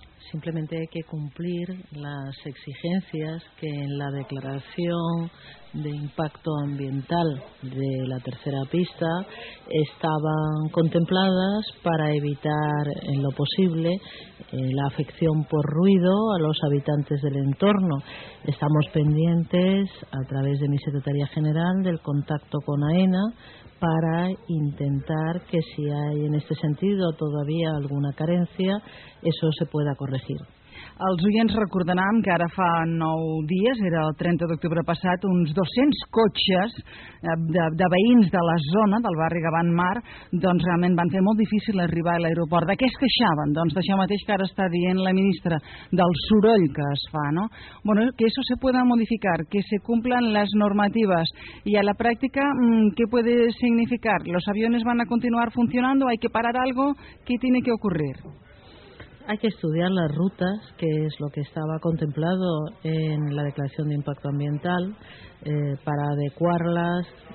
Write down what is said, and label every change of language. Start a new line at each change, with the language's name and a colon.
Spanish: Simplemente hay que cumplir las exigencias que en la declaración de impacto ambiental de la tercera pista estaban contempladas para evitar en lo posible la afección por ruido a los habitantes del entorno. Estamos pendientes, a través de mi secretaría general, del contacto con AENA para intentar que, si hay en este sentido todavía alguna carencia, eso se pueda corregir.
Catalan: Els oients recordaran que ara fa 9 dies, era el 30 d'octubre passat, uns 200 cotxes de veïns de la zona del barri Gavant Mar, doncs realment van fer molt difícil arribar a l'aeroport. De què es queixaven? Doncs d'això mateix que ara està dient la ministra, del soroll que es fa, no?
Spanish: Bueno, que eso se pueda modificar, que se cumplan las normativas. Y a la práctica, ¿qué puede significar? ¿Los aviones van a continuar funcionando? ¿Hay que parar algo? ¿Qué tiene que ocurrir? Hay que estudiar las rutas, que es lo que estaba contemplado en la declaración de impacto ambiental, para adecuarlas.